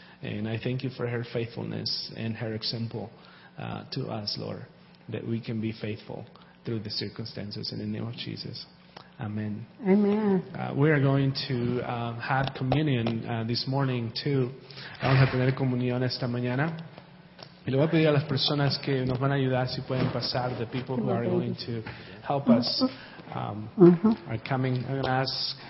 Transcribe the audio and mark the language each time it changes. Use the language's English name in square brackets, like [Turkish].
[English] And I thank you for her faithfulness and her example to us, Lord, that we can be faithful through the circumstances. In the name of Jesus. Amen. Amen. We are going to have communion this morning too. [Spanish] Vamos a tener comunión esta mañana. Y le voy a pedir a las personas que nos van a ayudar si pueden pasar. [English] The people who are going to help us are coming. I'm going to ask.